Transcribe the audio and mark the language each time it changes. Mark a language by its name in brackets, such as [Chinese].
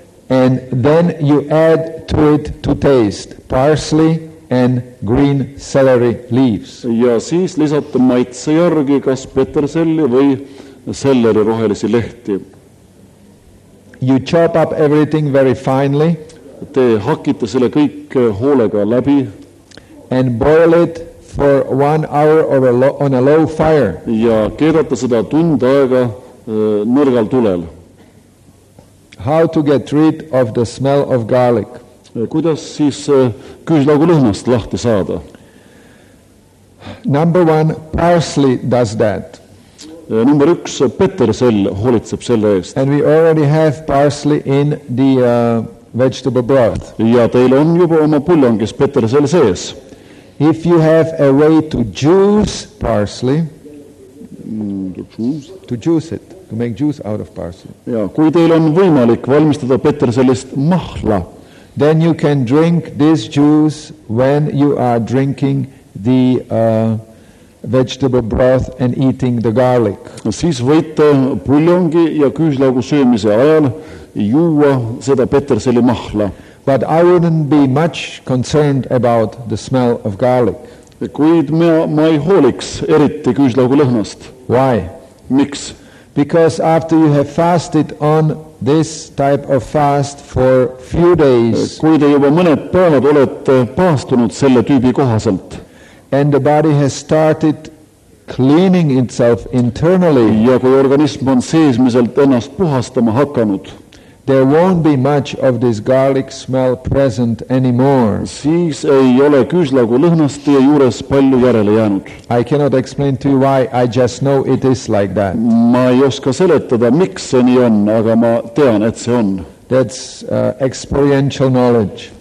[English] And then you add to it to taste parsley and green celery leaves. [Estonian] Ja siis lisata maitse järgi kas peterselli või selleri rohelisi lehti. [English] You chop up everything very finely. [Estonian] Te hakkite selle kõik hoolega läbi. [English] And boil it for 1 hour on a low fire. [Estonian] Ja keerata seda tund aega nõrgal tulel. [English] How to get rid of the smell of garlic? [Estonian] Kuidas siis küüslaugu lõhnast lahti saada? [English] Number 1, parsley does that. [Estonian] Number 1, petersell hoolitseb selle eest. [English] And we already have parsley in the vegetable broth. [Estonian] Ja teil on juba oma pullongis petersell sees. [English] If you have a way to juice parsley, to juice it, to make juice out of parsley. [Estonian] Ja kui teil on võimalik valmistada petersellist mahla, [English] then you can drink this juice when you are drinking the vegetable broth and eating the garlic. [Estonian] Siis võite puljongi ja küüslaugu söömise ajal juua seda petersellist mahla. [English] But I wouldn't be much concerned about the smell of garlic. [Estonian] Kuid ma ei hooliks eriti küüslaugu lõhnast. [English] Why? [Estonian] Miks? [English] Because after you have fasted on this type of fast for few days, [Estonian] kui te juba mõned päevad olete paastunud selle tüübi kohaselt, [English] and the body has started cleaning itself internally, [Estonian] ja kui organism on seesmiselt ennast puhastama hakanud, [English] there won't be much of this garlic smell present anymore. [Estonian] Siis ei ole küüslaugu lõhnast ja juures palju järele jäänud. [English] I cannot explain to you why, I just know it is like that. [Estonian] Ma ei oska seletada, miks see nii on, aga ma tean, et see on. [English] That's experiential knowledge.